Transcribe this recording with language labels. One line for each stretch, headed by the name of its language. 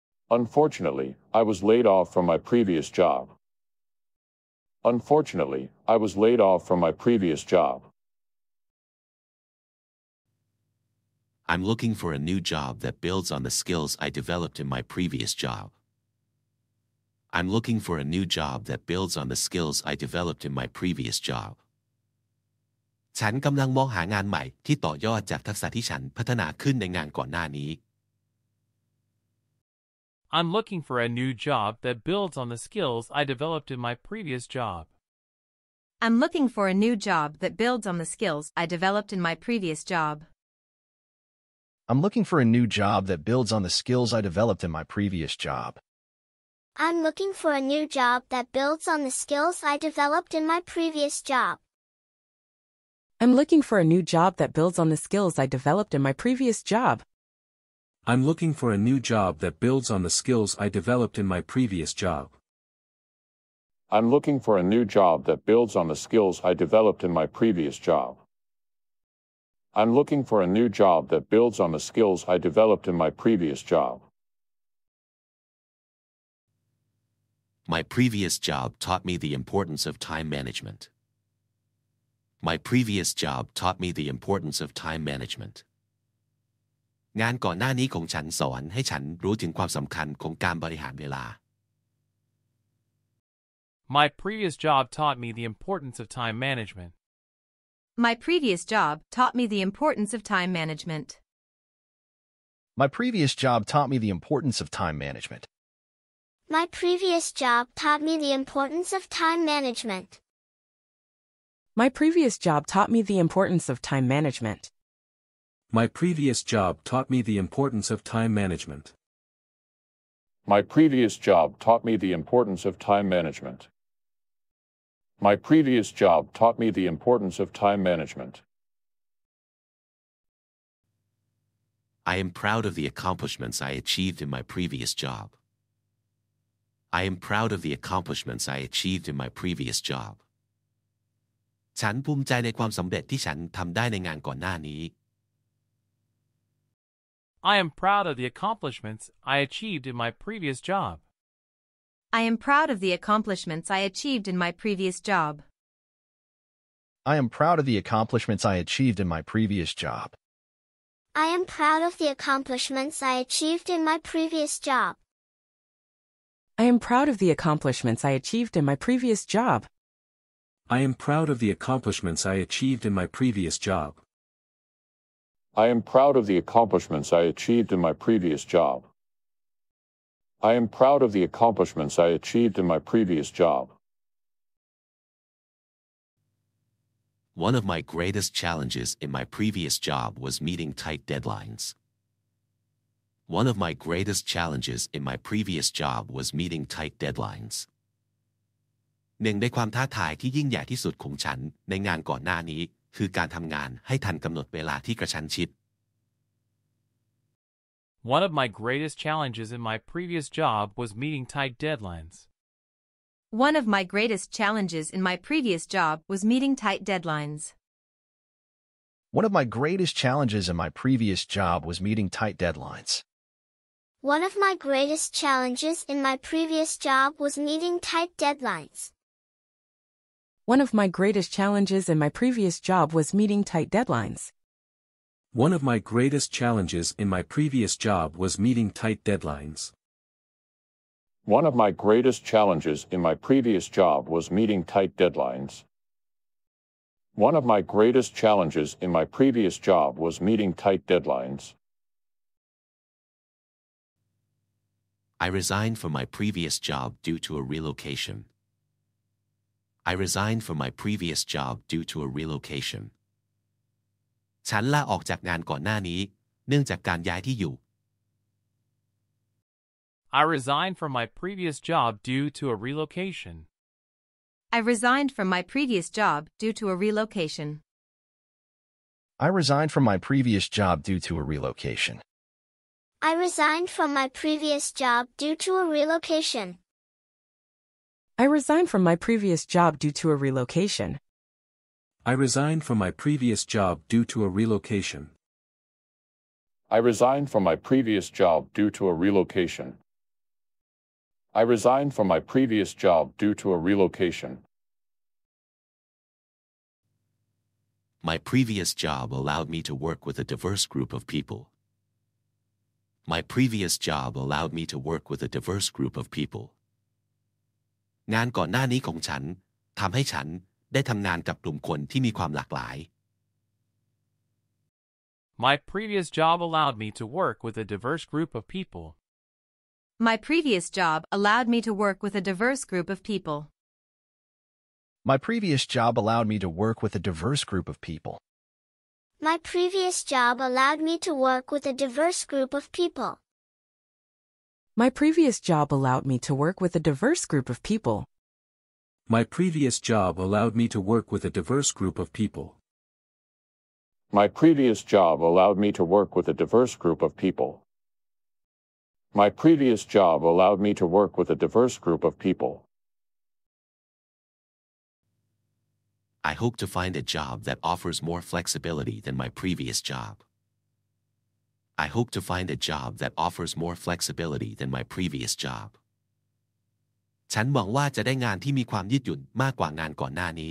English: Unfortunately, I was laid off from my previous job. Unfortunately, I was laid off from my previous job. I'm looking for a new job that builds on the skills I developed in my previous job. I'm looking for a new job that builds on the skills I developed in my previous job.
Thai: ฉันกำลังมองหางานใหม่ที่ต่อยอดจากทักษะที่ฉันพัฒนาขึ้นในงานก่อนหน้านี้
English: I'm looking for a new job that builds on the skills I developed in my previous job. I'm looking for a new job that builds on the skills I developed in my previous job. I'm looking for a new job that builds on the skills I developed in my previous job. I'm looking for a new job that builds on the skills I developed in my previous job. I'm looking for a new job that builds on the skills I developed in my previous job. I'm looking for a new job that builds on the skills I developed in my previous job. I'm looking for a new job that builds on the skills I developed in my previous job. I'm looking for a new job that builds on the skills I developed in my previous job. My previous job taught me the importance of time management. My previous job taught me the importance of time management.
Thai: งานก่อนหน้านี้ของฉันสอนให้ฉันรู้ถึงความสำคัญของการบริหารเวลา
English: My previous job taught me the importance of time management. My previous job taught me the importance of time management. My previous job taught me the importance of time management. My previous job taught me the importance of time management. My previous job taught me the importance of time management. My previous job taught me the importance of time management. My previous job taught me the importance of time management. My previous job taught me the importance of time management. I am proud of the accomplishments I achieved in my previous job. I am proud of the accomplishments I achieved in my previous job.
Thai: ฉันภูมิใจในความสำเร็จที่ฉันทำได้ในงานก่อนหน้านี้
English: I am proud of the accomplishments I achieved in my previous job. I am proud of the accomplishments I achieved in my previous job. I am proud of the accomplishments I achieved in my previous job. I am proud of the accomplishments I achieved in my previous job. I am proud of the accomplishments I achieved in my previous job. I am proud of the accomplishments I achieved in my previous job. I am proud of the accomplishments I achieved in my previous job. I am proud of the accomplishments I achieved in my previous job. One of my greatest challenges in my previous job was meeting tight deadlines. One of my greatest challenges in my previous job was meeting tight deadlines.
Thai: หนึ่งในความท้าทายที่ยิ่งใหญ่ที่สุดของฉันในงานก่อนหน้านี้คือการทำงานให้ทันกำหนดเวลาที่กระชั้นชิด
English: One of my greatest challenges in my previous job was meeting tight deadlines. One of my greatest challenges in my previous job was meeting tight deadlines. One of my greatest challenges in my previous job was meeting tight deadlines. One of my greatest challenges in my previous job was meeting tight deadlines. One of my greatest challenges in my previous job was meeting tight deadlines. One of my greatest challenges in my previous job was meeting tight deadlines. One of my greatest challenges in my previous job was meeting tight deadlines. One of my greatest challenges in my previous job was meeting tight deadlines. I resigned from my previous job due to a relocation. I resigned from my previous job due to a relocation.
Thai: ฉันลาออกจากงานก่อนหน้านี้เนื่องจากการย้ายที่อยู่
English: I resigned from my previous job due to a relocation. I resigned from my previous job due to a relocation. I resigned from my previous job due to a relocation. I resigned from my previous job due to a relocation. I resigned from my previous job due to a relocation. I resigned from my previous job due to a relocation. I resigned from my previous job due to a relocation. I resigned from my previous job due to a relocation. My previous job allowed me to work with a diverse group of people. My previous job allowed me to work with a diverse group of people.
Thai: งานก่อนหน้านี้ของฉันทำให้ฉันได้ทำงานกับกลุ่มคนที่มีความหลากหลาย
English: My previous job allowed me to work with a diverse group of people. My previous job allowed me to work with a diverse group of people. My previous job allowed me to work with a diverse group of people. My previous job allowed me to work with a diverse group of people. My previous job allowed me to work with a diverse group of people. My previous job allowed me to work with a diverse group of people. My previous job allowed me to work with a diverse group of people. My previous job allowed me to work with a diverse group of people. I hope to find a job that offers more flexibility than my previous job. I hope to find a job that offers more flexibility than my previous job.
Thai: ฉันหวังว่าจะได้งานที่มีความยืดหยุ่นมากกว่างานก่อนหน้านี